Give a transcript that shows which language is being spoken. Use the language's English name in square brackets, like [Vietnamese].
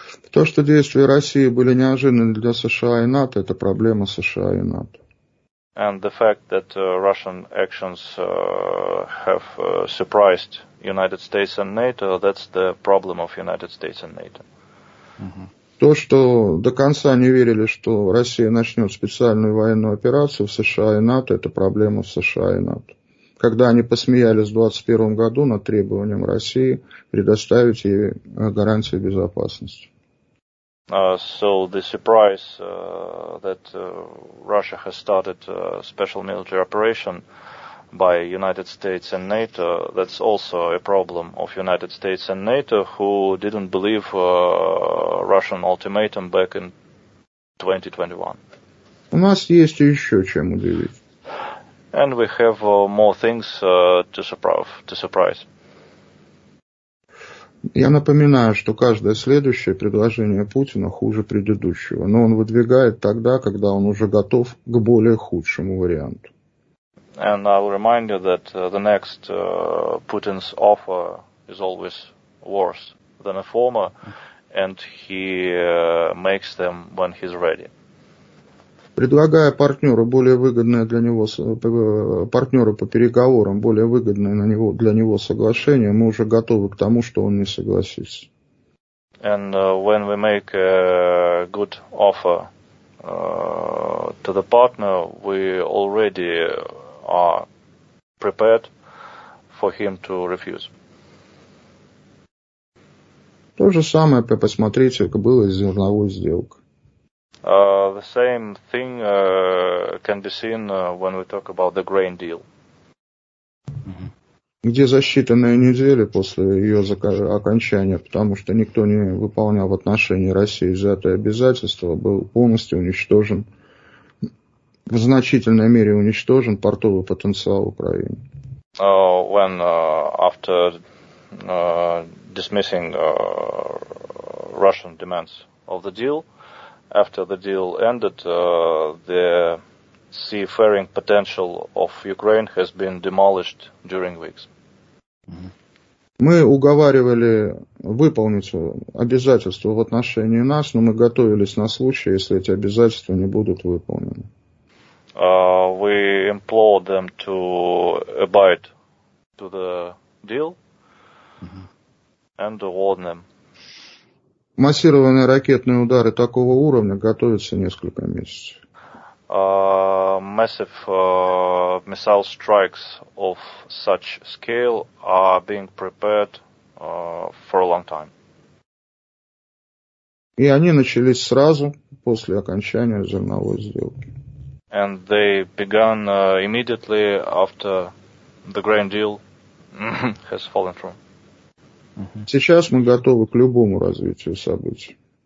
[Russian] То, что действия России были неожиданными для США и НАТО, это проблема США и НАТО. [English] And the fact that Russian actions have surprised United States and NATO, that's the problem of United States and NATO. Mm-hmm. [Russian] То, что до конца не верили, что Россия начнет специальную военную операцию в США и НАТО, это проблема в США и НАТО. Когда они посмеялись в 2021 году над требованием России предоставить ей гарантии безопасности. [English] So the surprise that Russia has started a special military operation by United States and NATO, that's also a problem of United States and NATO, who didn't believe Russian ultimatum back in 2021. [Russian] У нас есть еще чем удивить. [English] And we have more things to surprise. [Russian] Я напоминаю, что каждое следующее предложение Путина хуже предыдущего, но он выдвигает тогда, когда он уже готов к более худшему варианту. [English] And I'll remind you that the next Putin's offer is always worse than a former, and he makes them when he's ready. [Russian] Предлагая партнеру более выгодное для него партнеру по переговорам более выгодное на него, для него соглашение, мы уже готовы к тому, что он не согласится. [English] And when we make a good offer to the partner, we already are prepared for him to refuse. [Russian] То же самое, посмотрите, как было с зерновой сделкой. [English] The same thing can be seen when we talk about the grain deal. [Russian] Где за считанные недели после ее окончания, потому что никто не выполнял в отношении России взятое обязательство, был полностью уничтожен, в значительной мере уничтожен портовый потенциал Украины. [English] When after dismissing Russian demands of the deal, after the deal ended, the seafaring potential of Ukraine has been demolished during weeks. [Russian] Мы уговаривали выполнить обязательства в отношении нас, но мы готовились на случай, если эти обязательства не будут выполнены. [English] We implored them to abide to the deal and warn them. [Russian] Массированные ракетные удары такого уровня готовятся несколько месяцев. [English] Massive missile strikes of such scale are being prepared for a long time. [Russian] И они начались сразу после окончания зерновой сделки. [English] And they began immediately after the grain deal has fallen through. [Russian] Сейчас мы готовы к любому развитию событий.